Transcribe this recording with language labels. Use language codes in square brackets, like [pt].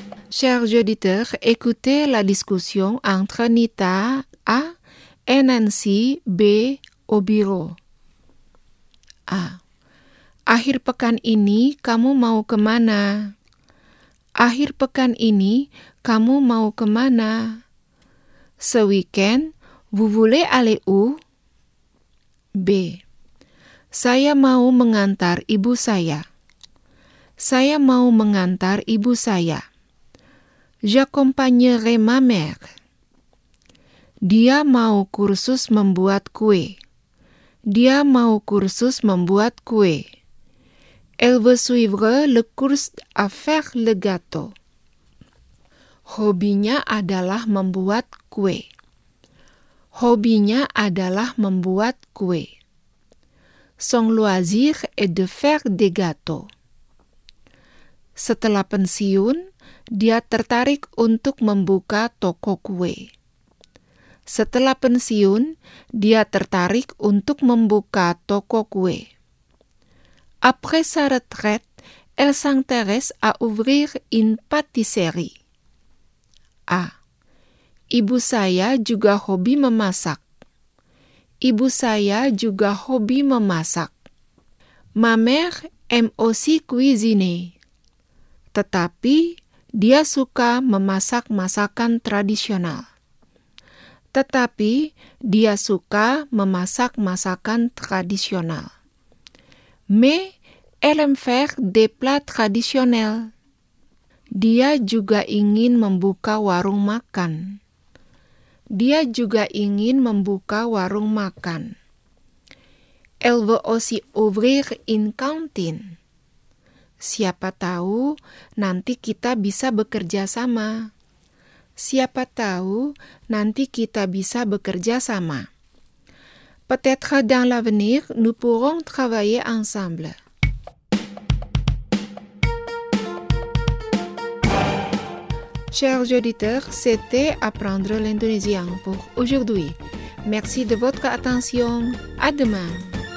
[fr] Chers auditeurs, écoutez la discussion entre Nita A et Nancy B au bureau. A. [id] Akhir pekan ini kamu mau kemana? Akhir pekan ini kamu mau kemana? [fr] Ce weekend, vous voulez aller où? B. [id] Saya mau mengantar ibu saya. Saya mau mengantar ibu saya. [fr] J'accompagnerai ma mère. [id] Dia mau kursus membuat kue. Dia mau kursus membuat kue. [fr] Elle veut suivre le cours à faire le gâteau. [id] Hobinya adalah membuat kue. Hobinya adalah membuat kue. [fr] Son loisir est de faire des gâteaux. [id] Setelah pensiun, dia tertarik untuk membuka toko kue. Setelah pensiun, dia tertarik untuk membuka toko kue. [fr] Après sa retraite, elle s'intéresse à ouvrir une pâtisserie. A. [id] Ibu saya juga hobi memasak. Ibu saya juga hobi memasak. [fr] Ma mère aime aussi cuisiner. [id] Tetapi, dia suka memasak masakan tradisional. Tetapi, dia suka memasak masakan tradisional. [fr] Mais, elle aime faire des plats traditionnels. [id] Dia juga ingin membuka warung makan. Dia juga ingin membuka warung makan. [fr] Elle veut aussi ouvrir une cantine. [id] Siapa tahu nanti kita bisa bekerja sama. Siapa tahu nanti kita bisa bekerja sama. [fr] Peut-être dans l'avenir, nous pourrons travailler ensemble. Chers auditeurs, c'était Apprendre l'indonésien pour aujourd'hui. Merci de votre attention. À demain.